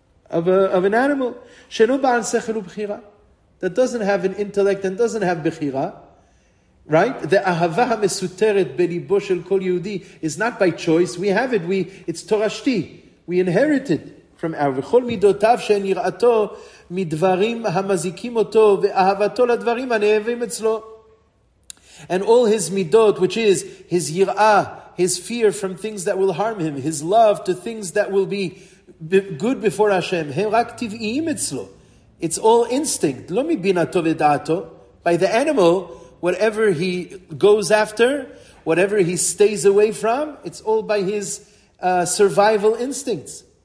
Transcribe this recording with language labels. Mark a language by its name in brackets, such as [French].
[English] Of an animal, [Hebrew] שלא בעל שכל ובחירה, [English] that doesn't have an intellect and doesn't have בחירה, right? The [Hebrew] אהבה המסותרת בליבו של כל יהודי [English] is not by choice. We have it. It's תורשתי. We inherit it from our. [Hebrew] וכל מידותיו שאין יראתו מדברים המזיקים אותו ואהבתו לדברים הנאהבים אצלו. [English] And all his midot, which is his יראה, his fear from things that will harm him, his love to things that will be good before Hashem. [Hebrew] Hem rak tiv'iim etzlo. [English] It's all instinct. [Hebrew] Lo mibinato v'da'ato. [English] By the animal, whatever he goes after, whatever he stays away from, it's all by his survival instincts.